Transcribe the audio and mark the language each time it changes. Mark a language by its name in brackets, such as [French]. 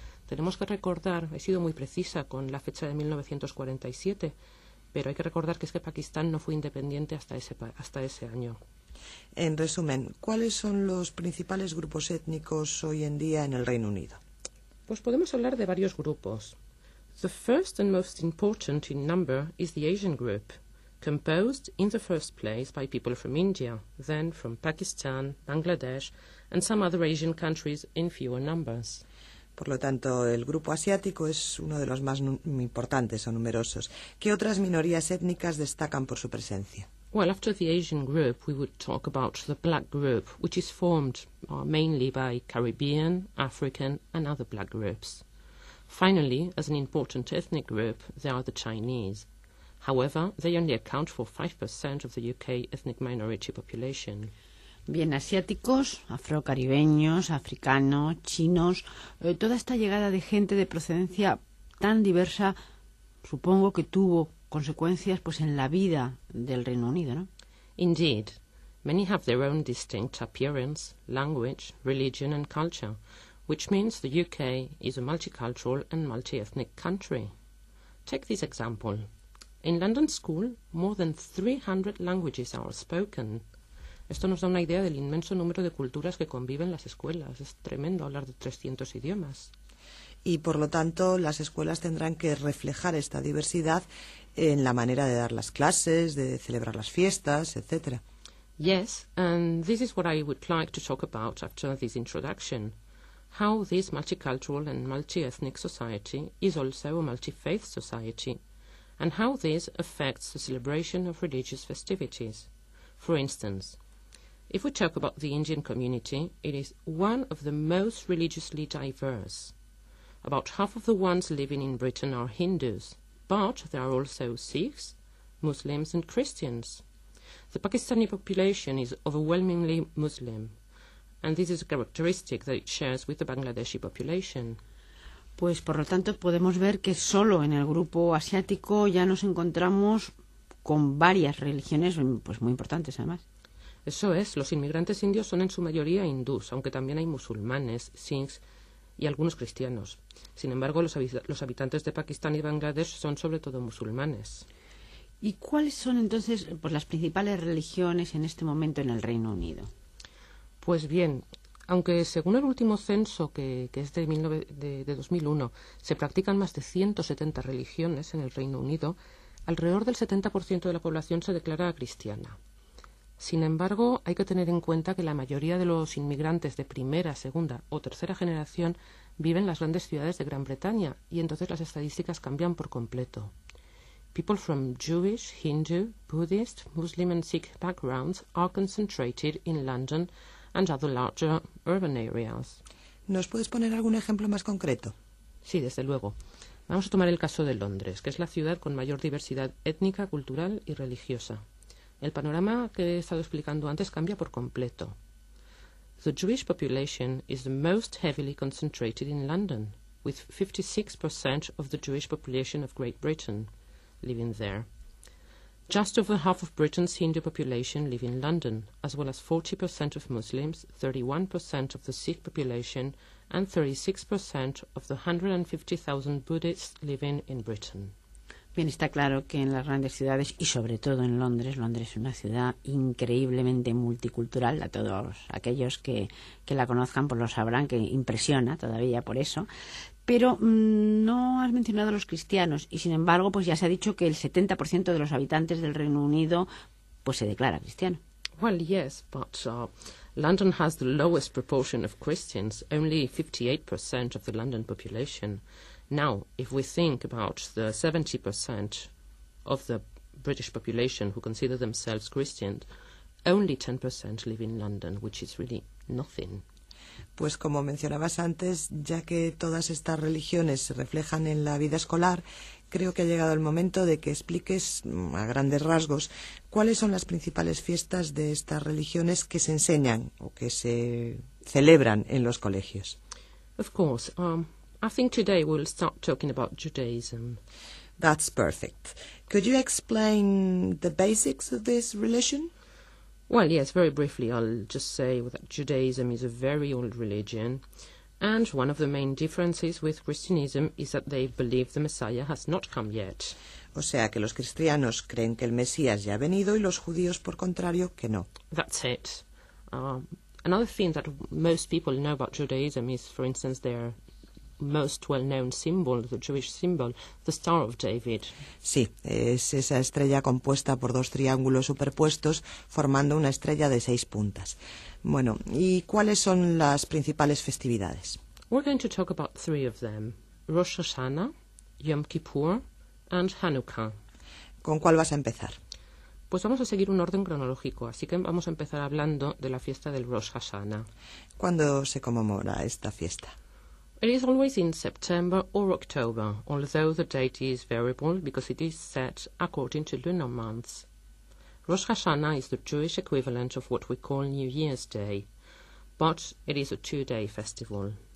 [Spanish] Tenemos que recordar, he sido muy precisa con la fecha de 1947, pero hay que recordar que es que Pakistán no fue independiente hasta ese año. En resumen, ¿cuáles son los principales grupos étnicos hoy en día en el Reino Unido? Pues podemos hablar de varios grupos. [English] The first and most important in number is the Asian group, composed in the first place by people from India, then from Pakistan, Bangladesh, and some other Asian countries in fewer numbers. [Spanish] Por lo tanto, el grupo asiático es uno de los más importantes o numerosos. ¿Qué otras minorías étnicas destacan por su presencia? [English] Well, after the Asian group, we would talk about the black group, which is formed mainly by Caribbean, African, and other black groups. Finally, as an important ethnic group, there are the Chinese. However, they only account for 5% of the UK ethnic minority population. [Spanish] Bien, asiáticos, afrocaribeños, africanos, chinos, toda esta llegada de gente de procedencia tan diversa, supongo que tuvo consecuencias pues en la vida del Reino Unido, ¿no? [English] Indeed, many have their own distinct appearance, language, religion and culture, which means the UK is a multicultural and multi-ethnic country. Take this example. In London School, more than 300 languages are spoken. [Spanish] Esto nos da una idea del inmenso número de culturas que conviven las escuelas. Es tremendo hablar de 300 idiomas. Y, por lo tanto, las escuelas tendrán que reflejar esta diversidad en la manera de dar las clases, de celebrar las fiestas, etc. [English] Yes, and this is what I would like to talk about after this introduction. How this multicultural and multi-ethnic society is also a multi-faith society, and how this affects the celebration of religious festivities. For instance, if we talk about the Indian community, it is one of the most religiously diverse. About half of the ones living in Britain are Hindus, but there are also Sikhs, Muslims and Christians. The Pakistani population is overwhelmingly Muslim, and this is a characteristic that it shares with the Bangladeshi population. [Spanish] Pues por lo tanto podemos ver que solo en el grupo asiático ya nos encontramos con varias religiones pues muy importantes además. Eso es, los inmigrantes indios son en su mayoría hindús, aunque también hay musulmanes, Sikhs y algunos cristianos. Sin embargo, los habitantes de Pakistán y Bangladesh son sobre todo musulmanes. ¿Y cuáles son entonces pues, las principales religiones en este momento en el Reino Unido? Pues bien, aunque según el último censo, que es de 2001, se practican más de 170 religiones en el Reino Unido, alrededor del 70% de la población se declara cristiana. Sin embargo, hay que tener en cuenta que la mayoría de los inmigrantes de primera, segunda o tercera generación viven en las grandes ciudades de Gran Bretaña, y entonces las estadísticas cambian por completo. [English] People from Jewish, Hindu, Buddhist, Muslim and Sikh backgrounds are concentrated in London and other larger urban areas. [Spanish] ¿Nos puedes poner algún ejemplo más concreto? Sí, desde luego. Vamos a tomar el caso de Londres, que es la ciudad con mayor diversidad étnica, cultural y religiosa. El panorama que he estado explicando antes cambia por completo. [English] The Jewish population is the most heavily concentrated in London, with 56% of the Jewish population of Great Britain living there. Just over half of Britain's Hindu population live in London, as well as 40% of Muslims, 31% of the Sikh population, and 36% of the 150,000 Buddhists living in Britain. [Spanish] Bien, está claro que en las grandes ciudades, y sobre todo en Londres, Londres es una ciudad increíblemente multicultural, a todos aquellos que la conozcan pues lo sabrán, que impresiona todavía por eso. Pero no has mencionado a los cristianos, y sin embargo, pues ya se ha dicho que el 70% de los habitantes del Reino Unido pues se declara cristiano. [English] Well, yes, but London has the lowest proportion of Christians, only 58% of the London population. Now, if we think about the 70% of the British population who consider themselves Christian, only 10% live in London, which is really nothing. [Spanish] Pues como mencionabas antes, ya que todas estas religiones se reflejan en la vida escolar, creo que ha llegado el momento de que expliques a grandes rasgos cuáles son las principales fiestas de estas religiones que se enseñan o que se celebran en los colegios. [English] Of course, I think today we'll start talking about Judaism. That's perfect. Could you explain the basics of this religion? Well, yes, very briefly, I'll just say that Judaism is a very old religion, and one of the main differences with Christianism is that they believe the Messiah has not come yet. [Spanish] O sea, que los cristianos creen que el Mesías ya ha venido y los judíos, por contrario, que no. [English] That's it. Another thing that most people know about Judaism is, for instance, their most well-known symbol, the Jewish symbol, the Star of David. [Spanish] Sí, es esa estrella compuesta por dos triángulos superpuestos formando una estrella de seis puntas. Bueno, ¿y cuáles son las principales festividades? [English] We're going to talk about three of them: Rosh Hashanah, Yom Kippur, and Hanukkah. [Spanish] ¿Con cuál vas a empezar? Pues vamos a seguir un orden cronológico, así que vamos a empezar hablando de la fiesta del Rosh Hashanah. ¿Cuándo se conmemora esta fiesta? [English] It is always in September or October, although the date is variable because it is set according to lunar months. Rosh Hashanah is the Jewish equivalent of what we call New Year's Day, but it is a two-day festival.